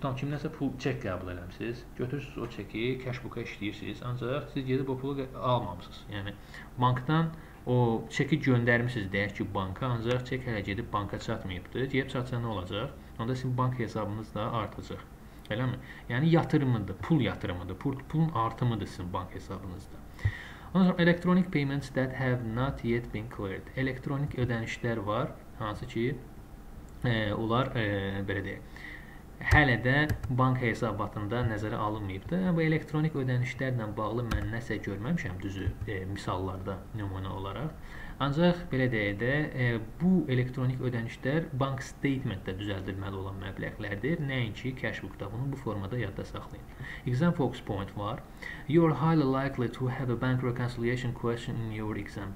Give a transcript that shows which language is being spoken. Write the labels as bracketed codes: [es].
[az] Tam kimdənsə pul çek qəbul eləmisiniz. Götürürsünüz o çeki, cashbook'a işləyirsiniz. Ancaq siz gedib o pulu almamışsınız. Yəni bankdan o çeki göndərmisiniz deyək ki banka, ancaq çek hələ gedib banka çatmayıbdır. Gedib çatsa nə olacaq? Onda sizin bank hesabınız da artacaq. Eləmi? Yəni yatırımıdır, pul yatırımıdır, pulun artımıdır sizin bank hesabınızda. Ondan sonra [en] electronic payments that have not yet been cleared. [az] Elektronik ödənişlər var, hansı ki onlar belə deyək, hələ də banka hesabatında nəzərə alınmayıbdır. Bu elektronik ödənişlərlə bağlı mən nəsə görməmişəm düzü misallarda nümunə olaraq. Ancaq belə deyək də bu elektronik ödənişlər bank statementdə düzəldilməli olan məbləğlərdir. Nəinki cashbook-da bunu bu formada yadda saxlayın. Exam focus point var. [en] You are highly likely to have a bank reconciliation question in your exam.